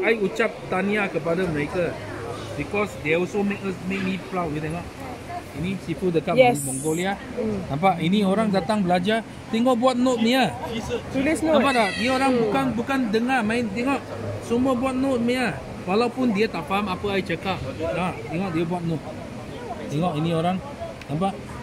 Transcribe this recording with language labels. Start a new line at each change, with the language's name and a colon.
Malay: I ucap tahniah kepada mereka.
English: Because they also make me proud.
Malay: You tengok. Ini sifu dekat Mongolia. Nampak? Ini orang datang belajar. Tengok buat note dia. Tulis note. Nampak tak? Ini orang bukan dengar main. Tengok. Semua buat note dia. Walaupun dia tak faham apa saya cakap. Tengok dia buat note. Tengok ini orang. Nampak?